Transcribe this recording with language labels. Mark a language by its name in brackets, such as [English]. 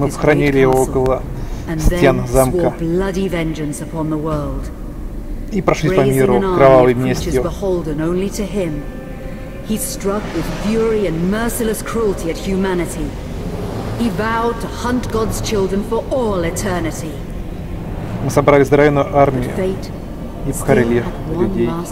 [Russian] Мы похоронили его около стен замка. [English] And then swore bloody vengeance upon the world. [Russian] И прошли по миру кровавой местью. [English] Beholden only to him. He struck with fury and merciless cruelty at humanity. He vowed to hunt God's children for all eternity. [Russian] Мы собрали здоровенную армию и покорили людей.